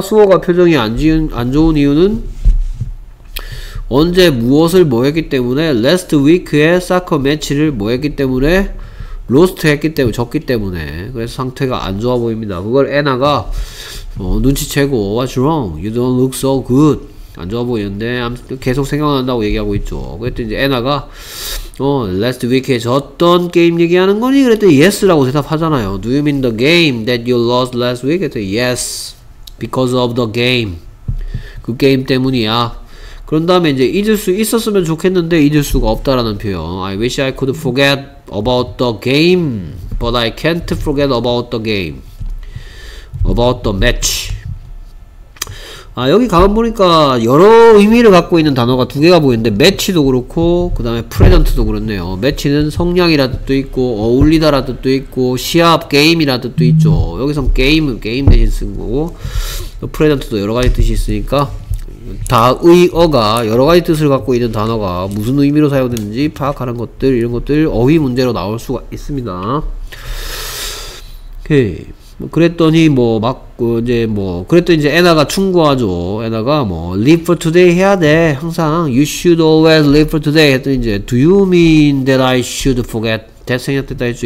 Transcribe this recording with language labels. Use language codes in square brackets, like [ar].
[ko] 수호가 표정이 안 좋은 이유는 언제 무엇을 뭐 했기 때문에 last week에 사커 매치를 뭐 했기 때문에 로스트 했기 때문에 졌기 때문에 그래서 상태가 안 좋아 보입니다. 그걸 애나가 눈치채고 [en] what's wrong? you don't look so good. [ko] 안 좋아 보이는데 계속 생각난다고 얘기하고 있죠. 그랬더니 이제 애나가 last week에 졌던 게임 얘기하는 거니? 그랬더니 yes라고 대답하잖아요. [en] do you mean the game that you lost last week? [ko] 그랬더니 [en] yes because of the game. [ko] 그 게임 때문이야. 그런 다음에 이제 잊을 수 있었으면 좋겠는데 잊을 수가 없다라는 표현. [en] I wish I could forget about the game, but I can't forget about the game. About the match. [ko] 아 여기 가만 보니까 여러 의미를 갖고 있는 단어가 두 개가 보이는데 match도 그렇고 그 다음에 present도 그렇네요. match는 성량이라는 뜻도 있고 어울리다라는 뜻도 있고 시합 게임이라는 뜻도 있죠. 여기선 게임은 게임 대신 쓴 거고 present도 여러 가지 뜻이 있으니까 다의 어가 여러가지 뜻을 갖고 있는 단어가 무슨 의미로 사용되는지 파악하는 것들 이런 것들 어휘 문제로 나올 수가 있습니다. 오케이. 뭐 그랬더니 뭐 막 이제 뭐 그랬더니 이제 애나가 충고하죠. 애나가 뭐 [en] live for today [ko] 해야 돼 항상. [en] you should always live for today [ko] 했더니 이제 [en] do you mean that I should forget that [ko] 생각됐다 했죠.